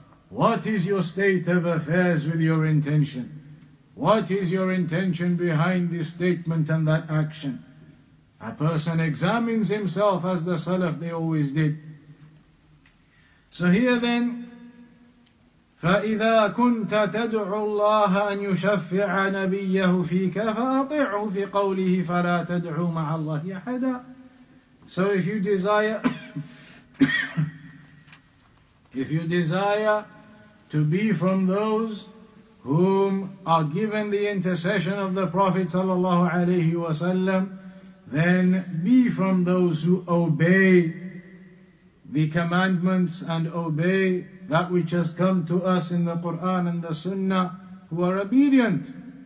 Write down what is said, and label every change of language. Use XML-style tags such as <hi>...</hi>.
<en>What is your state of affairs with your intention? What is your intention behind this statement and that action? A person examines himself as the Salaf, they always did. So here then,</en> <ar>فإذا كنت تدعو الله أن يشفع نبيه فيك فأطيعه في قوله فلا تدعو مع الله أحدا.</ar> <en>So if you desire if you desire to be from those whom are given the intercession of the Prophet sallallahu alayhi wa sallam, then be from those who obey the commandments and obey that which has come to us in the Quran and the Sunnah, who are obedient.</en>